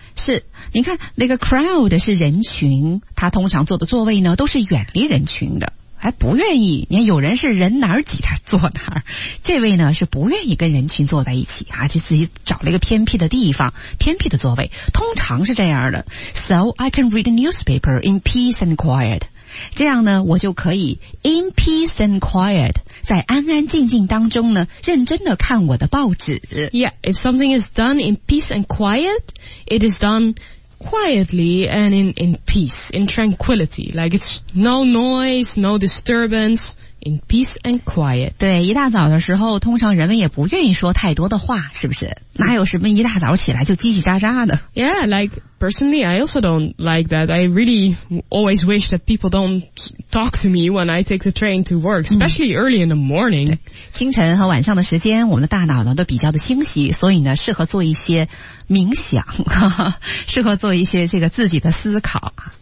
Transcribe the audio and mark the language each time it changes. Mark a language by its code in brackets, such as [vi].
[zh] 是你看那个 crowd 是人群他通常坐的座位呢都是远离人群的还不愿意你看有人是人哪儿挤他坐哪儿这位呢是不愿意跟人群坐在一起而且自己找了一个偏僻的地方偏僻的座位通常是这样的 [en] So I can read a newspaper in peace and quiet [zh] 这样呢我就可以 [en] in peace and quiet [zh] 在安安静静当中呢认真的看我的报纸 [en] Yeah, if something is done in peace and quiet it is donequietly and in peace, in tranquility. Like it's no noise, no disturbance, in peace and quiet. [zh] 对，一大早的时候，通常人们也不愿意说太多的话，是不是？哪有什么一大早起来就叽叽喳喳的 [en] ？Yeah, like personally, I also don't like that. I really always wish that people don't talk to me when I take the train to work, especially early in the morning. [zh] 清晨和晚上的时间，我们的大脑呢都比较的清晰，所以呢适合做一些冥想，适合做一些这个自己的思考。